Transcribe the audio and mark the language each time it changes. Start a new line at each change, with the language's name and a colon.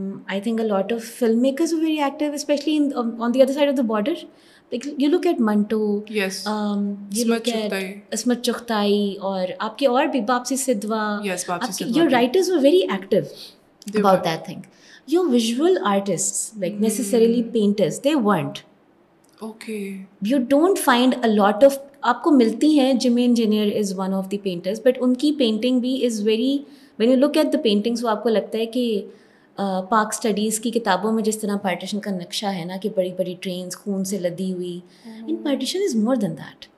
English: I think a lot of film makers were very active specially in on the other side of the border. You look at Manto, you look at
Hindi: अस्मत चुगताई और आपके और भी बापसी सिद्धवा.
English: Yes, your writers were very active about that thing. Your visual artists, like necessarily painters, they weren't. Okay. You don't find a lot of
Hindi: आपको मिलती हैं. Jimmy engineer
English: is one of the painters
Hindi: but उनकी painting भी is very,
English: when you look at the paintings
Hindi: वो आपको लगता है कि पार्क स्टडीज़ की किताबों में जिस तरह पार्टीशन का नक्शा है ना कि बड़ी बड़ी ट्रेन्स खून से लदी हुई.
English: And partition is more than that.